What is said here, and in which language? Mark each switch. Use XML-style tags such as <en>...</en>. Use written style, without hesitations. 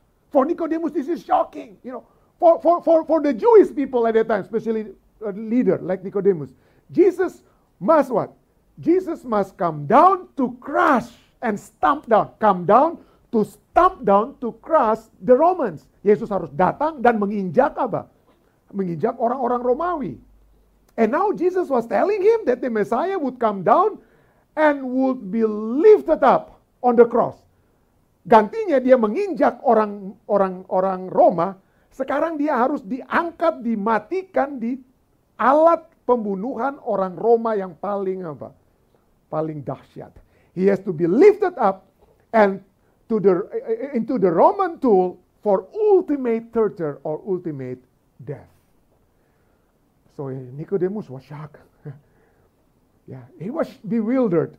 <en>For Nicodemus, this is shocking. You know, for the Jewish people at that time, especially a leader like Nicodemus, Jesus must what? Jesus must come down to crush and stamp down. Come down to stamp down to crush the Romans.</en> <id>Yesus harus datang dan menginjak apa? Menginjak orang-orang Romawi.</id> <en>And now Jesus was telling him that the Messiah would come down and would be lifted up on the cross.</en> <id>Gantinya dia menginjak orang-orang Roma, sekarang dia harus diangkat, dimatikan di alat pembunuhan orang Roma yang paling apa? Paling dahsyat.</id> <en>He has to be lifted up and into the Roman tool for ultimate torture or ultimate death. So Nicodemus was shocked. Yeah, he was bewildered.</en>